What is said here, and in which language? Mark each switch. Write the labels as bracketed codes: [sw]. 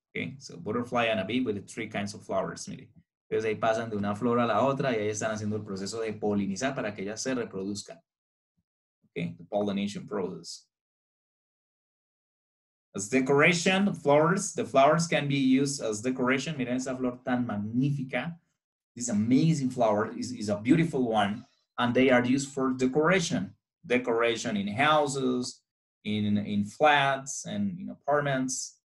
[en] Okay, so butterfly and a bee with the three kinds of flowers, [es] miren. Entonces ahí pasan de una flor a la otra y ahí están haciendo el proceso de polinizar para que ellas se reproduzcan. [en] Okay, the pollination process. As decoration, the flowers can be used as decoration. [es] Miren esa flor tan magnífica. [en] This amazing flower is a beautiful one, and they are used for decoration. Decoration in houses, in flats, and in apartments.